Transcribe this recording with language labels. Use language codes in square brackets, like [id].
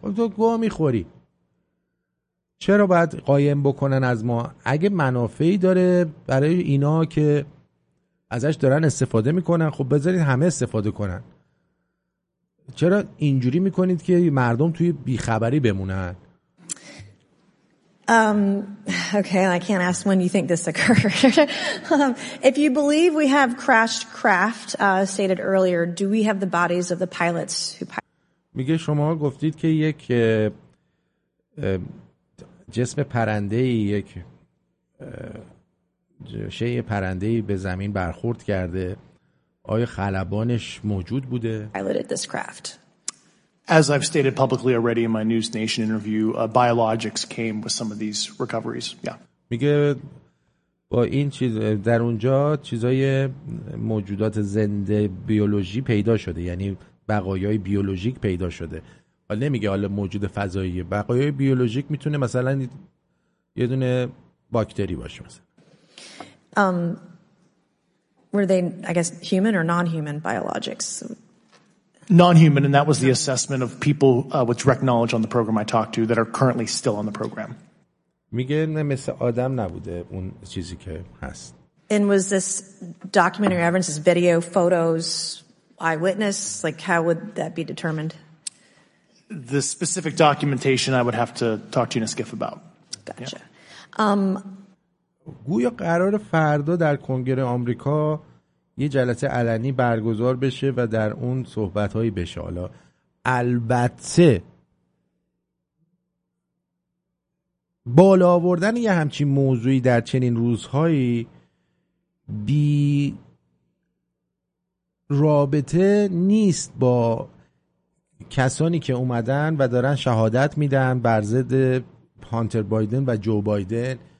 [fa] تو گوه میخوری، چرا باید قایم بکنن از ما؟ اگه منافعی داره برای اینا که ازش دارن استفاده میکنن، خب بذارید همه استفاده کنن. چرا اینجوری میکنید که مردم توی بیخبری بمونن؟ [en] Okay, I can't ask when you think this occurred. If you believe we have crashed craft, stated earlier, do we have the bodies of the pilots who pilot? [fa] میگه شما گفتید که یک جسم پرنده ای، یک شیء پرنده ای به زمین برخورد کرده، آیا خلبانش موجود بوده؟ [en] piloted this craft. As I've stated publicly already in my News Nation interview, biologics came with some of these recoveries. Yeah. [fa] میگه با این چیز در اونجا چیزای موجودات زنده بیولوژی پیدا شده، یعنی بقایای بیولوژیک پیدا شده. حالا نمیگه حالا موجود فضایی، بقایای بیولوژیک میتونه مثلا یه دونه باکتری باشه مثلا. [en] Were they, I guess, human or non-human biologics? Non-human, and that was the assessment of people with direct knowledge on the program I talked to that are currently still on the program. [fa] میگه نه مثل آدم نبوده اون چیزی که هست. [en] And was this documentary evidence, this video, photos, eyewitness? Like, how would that be determined? The specific documentation I would have to talk to you in a skiff about. Gotcha. [fa] گویا قرار فردا در کنگره آمریکا یه جلسه علنی برگزار بشه و در اون صحبت‌های بشه. حالا البته بالا آوردن یه همچین موضوعی در چنین روزهایی بی رابطه نیست با کسانی که اومدن و دارن شهادت میدن بر ضد هانتر بایدن و جو بایدن.